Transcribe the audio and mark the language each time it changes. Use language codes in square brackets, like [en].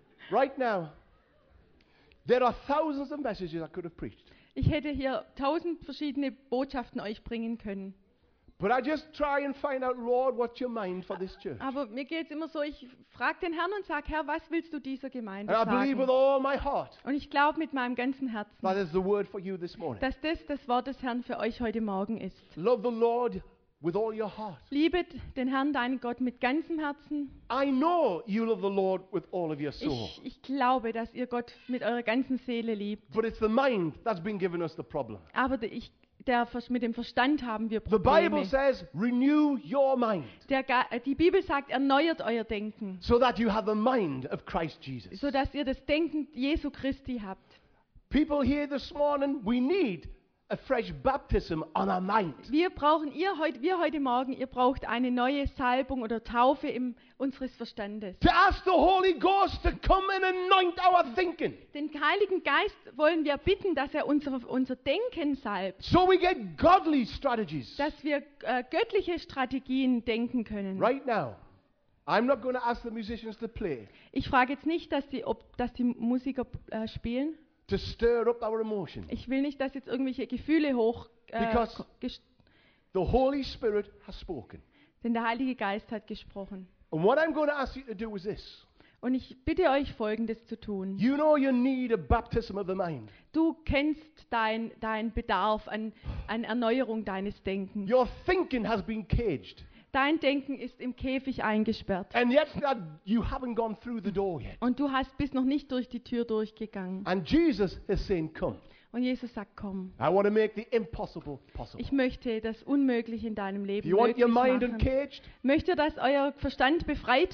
[en] Right now, there are thousands of messages I could have preached. [de] Ich hätte hier tausend verschiedene Botschaften euch bringen können. [en] But I just try and find out, Lord, what's your mind for this church. [de] Aber mir geht's immer so, ich frag den Herrn und sag, Herr, was willst du dieser Gemeinde sagen? [en] And I believe with all my heart. [de] Und ich glaube mit meinem ganzen Herzen. [en] That is the word for you this morning. [de] Dass das Wort des Herrn für euch heute Morgen ist. [en] Love the Lord with all your heart. [de] Liebet den Herrn deinen Gott mit ganzem Herzen. [en] I know you love the Lord with all of your soul. [de] Ich glaube, dass ihr Gott mit eurer ganzen Seele liebt. [en] But it's the mind that's been given us the problem. [de] Aber ich mit dem Verstand haben wir Probleme. [en] The Bible says, renew your mind. [de] Die Bibel sagt, erneuert euer Denken. [en] So that you have the mind of Christ Jesus. [de] So dass ihr das Denken Jesu Christi habt. [en] People here this morning, we need a fresh baptism on our mind. [de] Wir heute Morgen, ihr braucht eine neue Salbung oder Taufe unseres Verstandes. [en] To ask the Holy Ghost to come and anoint our thinking. [de] Den Heiligen Geist wollen wir bitten, dass er unser Denken salbt. [en] So we get godly strategies. [de] Dass wir göttliche Strategien denken können. [en] Right now, I'm not going to ask the musicians to play. [de] Ich frage jetzt nicht, dass die Musiker spielen. [en] To stir up our emotions. [de] Ich will nicht, dass jetzt irgendwelche Gefühle hoch. [en] The Holy Spirit has spoken. [de] Denn der Heilige Geist hat gesprochen. [en] And what I'm going to ask you to do is this. [de] Und ich bitte euch Folgendes zu tun. [en] You know you need a baptism of the mind. [de] Du kennst dein Bedarf an Erneuerung deines Denkens. [en] Your thinking has been caged. [de] Dein Denken ist im Käfig eingesperrt. [en] And yet you haven't gone through the door yet. [de] Und du hast bis noch nicht durch die Tür durchgegangen. [en] And Jesus is saying, come. [de] Und Jesus sagt, komm. [en] I want to make the impossible possible. [de] Ich möchte das Unmögliche in deinem Leben möglich machen. Möchtest du, dass euer Verstand befreit wird?